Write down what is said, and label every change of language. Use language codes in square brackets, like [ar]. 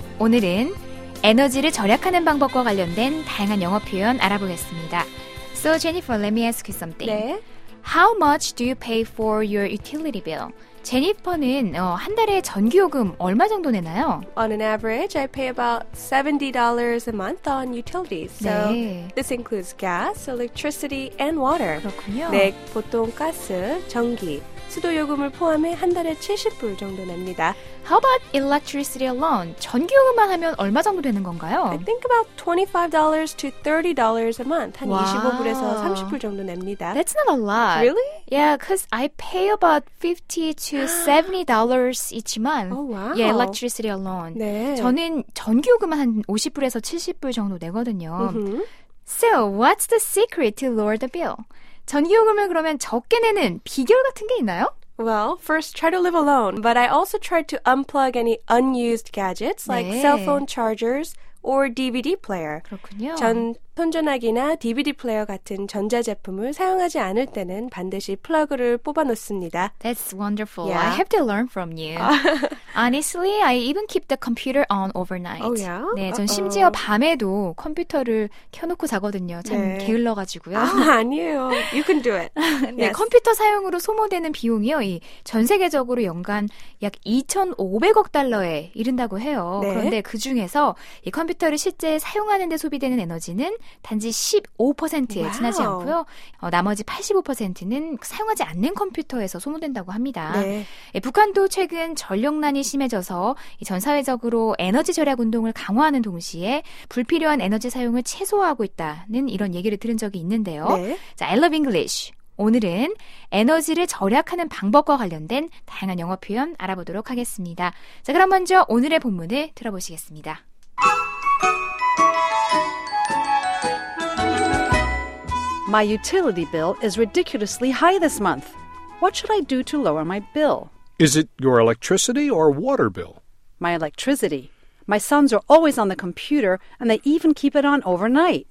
[ko] 오늘은 에너지를 절약하는 방법과 관련된 다양한 영어 표현 알아보겠습니다. [en] So Jennifer, let me ask you something. [ko] 네. [en] How much do you pay for your utility bill? [ko] 제니퍼는 한 달에 전기요금 얼마 정도 내나요? [en] On an average, I pay about $70 a month on utilities. So [ko] 네. [en] This includes gas, electricity, and water. [ko] 그렇군요. 네, 보통 가스, 전기, 수도요금을 포함해 한 달에 $70 정도 냅니다. [en] How about electricity alone? [ko] 전기요금만 하면 얼마 정도 되는 건가요? [en] I think about $25 to $30 a month. [ko] 한 $25에서 $30 정도 냅니다. [en] That's not a lot. Really? Yeah, because I pay about $50 to $70 each month. Oh, wow. Yeah, electricity alone. [ko] 네. 저는 전기요금만 한 $50에서 $70 정도 내거든요. Mm-hmm. [en] So, what's the secret to lower the bill? [ko] 전기요금을 그러면 적게 내는 비결 같은 게 있나요? [en] Well, first, try to live alone. But I also try to unplug any unused gadgets like [ko] 네. [en] cell phone chargers or DVD player. [ko] 그렇군요. 전자기기나 DVD 플레이어 같은 전자제품을 사용하지 않을 때는 반드시 플러그를 뽑아놓습니다. [en] That's wonderful. Yeah. I have to learn from you. Honestly, I even keep the computer on overnight. Oh, yeah? [ko] 네, 전 심지어 밤에도 컴퓨터를 켜놓고 자거든요. 참 네. 게을러가지고요. 아니에요. [en] You can do it. [ko] 네, yes. 컴퓨터 사용으로 소모되는 비용이요. 전 세계적으로 연간 약 2,500억 달러에 이른다고 해요. 네. 그런데 그중에서 이 컴퓨터를 실제 사용하는 데 소비되는 에너지는 단지 15%에 [en] wow. [ko] 지나지 않고요. 나머지 85%는 사용하지 않는 컴퓨터에서 소모된다고 합니다. 네. 북한도 최근 전력난이 심해져서 전 사회적으로 에너지 절약 운동을 강화하는 동시에 불필요한 에너지 사용을 최소화하고 있다는 이런 얘기를 들은 적이 있는데요. 네. [en] 자, I love English. [ko] 오늘은 에너지를 절약하는 방법과 관련된 다양한 영어 표현 알아보도록 하겠습니다. 자, 그럼 먼저 오늘의 본문을 들어보시겠습니다. [en] My utility bill is ridiculously high this month. What should I do to lower my bill? Is it your electricity or water bill? My electricity. My sons are always on the computer, and they even keep it on overnight.